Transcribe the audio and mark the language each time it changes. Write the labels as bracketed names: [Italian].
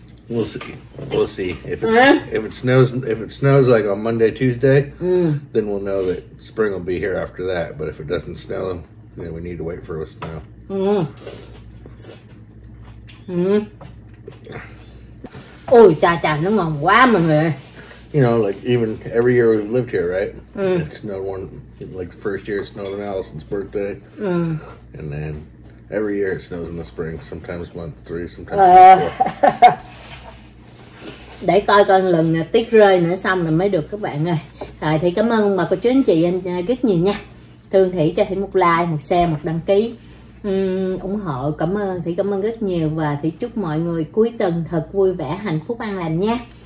[English] We'll see. If it snows like on Monday, Tuesday, then we'll know that spring will be here after that, but if it doesn't snow, then we need to wait for it to snow. [Vietnamese] Ôi chà chà, nó ngon quá mọi người. [English] You know, like even every year we've lived here, right? It snowed one, like the first year it snowed on Allison's birthday. And then every year it snows in the spring, sometimes month three, sometimes month four. [Vietnamese] Để coi lần tuyết rơi nữa xong rồi mới được các bạn ơi. Rồi thì cảm ơn bà cô chú anh chị anh rất nhiều nha. Thương Thủy cho Thủy một like, một share, một đăng ký. Ủng hộ, cảm ơn Thủy, cảm ơn rất nhiều. Và Thủy chúc mọi người cuối tuần thật vui vẻ, hạnh phúc, an lành nha.